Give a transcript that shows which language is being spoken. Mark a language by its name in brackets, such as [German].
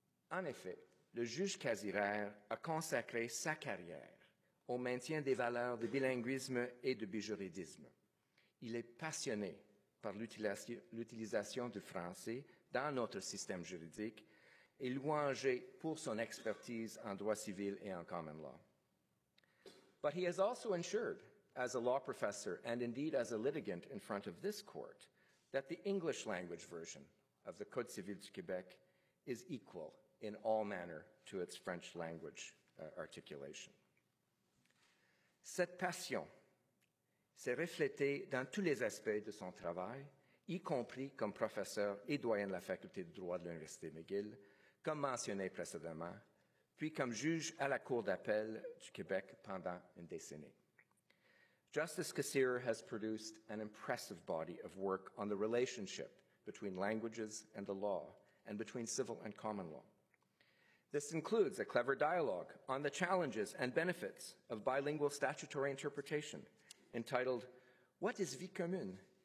[French] En effet, le juge Casiraire a consacré sa carrière au maintien des valeurs de bilinguisme et de bijuridisme. Il est passionné par l'utilisation du français dans notre système juridique et louangé pour son expertise en droit civil et en common law. [English] But he has also ensured, as a law professor and indeed as a litigant in front of this court, that the English language version of the Code civil du Québec is equal in all manner to its French language articulation. [French] Cette passion s'est reflété dans tous les aspects de son travail, y compris comme professeur et doyen de la faculté de droit de l'Université McGill, comme mentionné précédemment, puis comme juge à la Cour d'appel du Québec pendant une décennie. [English] Justice Kassira has produced an impressive body of work on the relationship between languages and the law, and between civil and common law. This includes a clever dialogue on the challenges and benefits of bilingual statutory interpretation, entitled, What is Vie Commune?